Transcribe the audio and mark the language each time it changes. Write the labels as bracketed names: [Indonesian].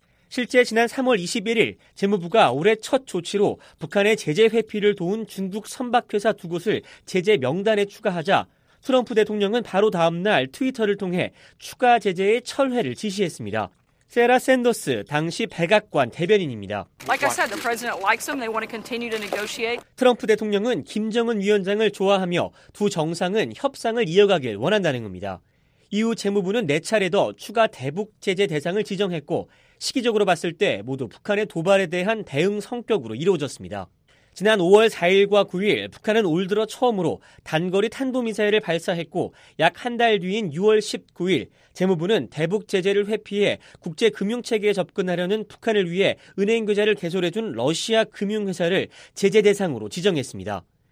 [Korean] 실제 지난 3월 21일 재무부가 올해 첫 조치로 북한의 제재 회피를 도운 중국 선박회사 두 곳을 제재 명단에 추가하자 트럼프 대통령은 바로 다음 날 트위터를 통해 추가 제재의 철회를 지시했습니다. 세라 샌더스 당시 백악관 대변인입니다. [English] Like I said, the president likes them. They want to continue to negotiate. [Korean] 트럼프 대통령은 김정은 위원장을 좋아하며 두 정상은 협상을 이어가길 원한다는 겁니다. 이후 재무부는 네 차례 더 추가 대북 제재 대상을 지정했고 시기적으로 봤을 때 모두 북한의 도발에 대한 대응 성격으로 이루어졌습니다. 지난 5월 4일과 9일 북한은 올 들어 처음으로 단거리 탄도미사일을 발사했고 약 한 달 뒤인 6월 19일 재무부는 대북 제재를 회피해 국제금융체계에 접근하려는 북한을 위해 은행 계좌를 개설해준 러시아 금융회사를 제재 대상으로 지정했습니다.